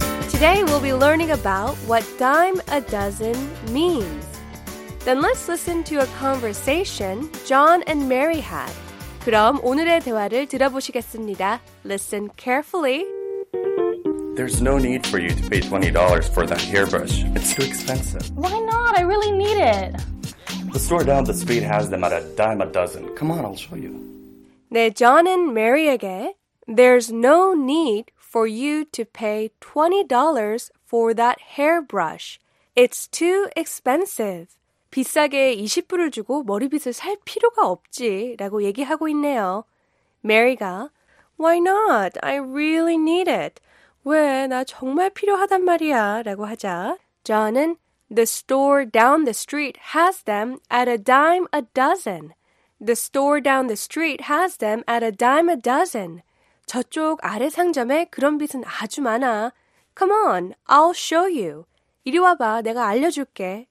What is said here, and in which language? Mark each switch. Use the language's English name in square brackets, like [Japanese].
[English] Today we'll be learning about what dime a dozen means. Then let's listen to a conversation John and Mary had. [Korean] 그럼 오늘의 대화를 들어보시겠습니다. [English] Listen carefully. There's no need for you to pay $20 for that hairbrush. It's too expensive. Why not? I really need it. The store down the street has them at a dime a dozen. Come on, I'll show you. 네, John and Mary에게 There's no need for you to pay $20 for that hairbrush. It's too expensive. [Korean] 비싸게 20불을 주고 머리빗을 살 필요가 없지 라고 얘기하고 있네요. [English] Mary가 Why not? I really need it. [Korean] 왜? 나 정말 필요하단 말이야 라고 하자 John은 [English] The store down the street has them at a dime a dozen. The store down the street has them at a dime a dozen. [Korean] 저쪽 아래 상점에 그런 빚은 아주 많아. [English] Come on, I'll show you. [Korean] 이리 와봐, 내가 알려줄게.